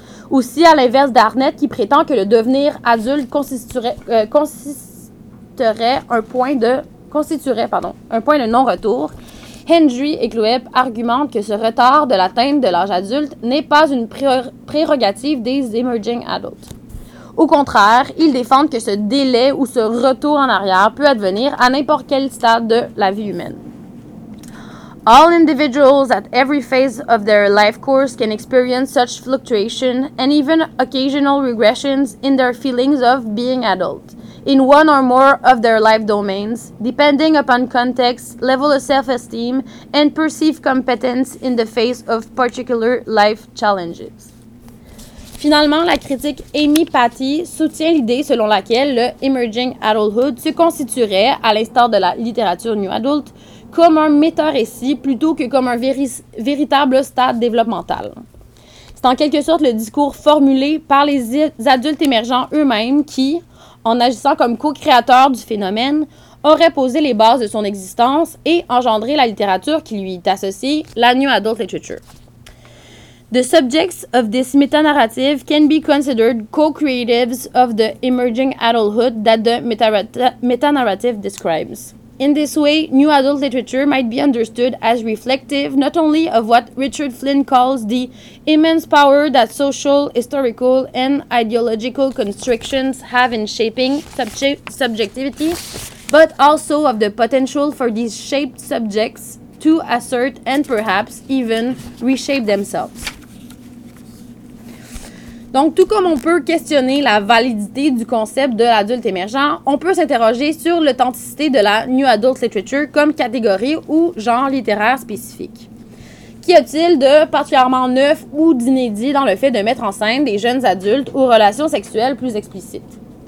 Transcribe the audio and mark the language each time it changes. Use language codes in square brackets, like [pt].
[fr] Aussi, à l'inverse d'Arnett, qui prétend que le devenir adulte constituerait un point de non-retour, Hendry et Cloep argumentent que ce retard de l'atteinte de l'âge adulte n'est pas une prérogative des emerging adults. Au contraire, ils défendent que ce délai ou ce retour en arrière peut advenir à n'importe quel stade de la vie humaine. [en] All individuals at every phase of their life course can experience such fluctuation and even occasional regressions in their feelings of being adult, in one or more of their life domains, depending upon context, level of self-esteem, and perceived competence in the face of particular life challenges. [fr] Finalement, la critique Amy Patty soutient l'idée selon laquelle le emerging adulthood se constituerait, à l'instar de la littérature new adult, comme un méta-récit plutôt que comme un véritable stade développemental. C'est en quelque sorte le discours formulé par les adultes émergents eux-mêmes qui, en agissant comme co-créateurs du phénomène, auraient posé les bases de son existence et engendré la littérature qui lui est associée, la New Adult Literature. [en] The subjects of this meta-narrative can be considered co-creatives of the emerging adulthood that the meta-narrative describes. In this way, new adult literature might be understood as reflective not only of what Richard Flynn calls the immense power that social, historical, and ideological constrictions have in shaping subjectivity, but also of the potential for these shaped subjects to assert and perhaps even reshape themselves. [fr] Donc, tout comme on peut questionner la validité du concept de l'adulte émergent, on peut s'interroger sur l'authenticité de la New Adult Literature comme catégorie ou genre littéraire spécifique. Qu'y a-t-il de particulièrement neuf ou d'inédit dans le fait de mettre en scène des jeunes adultes aux relations sexuelles plus explicites?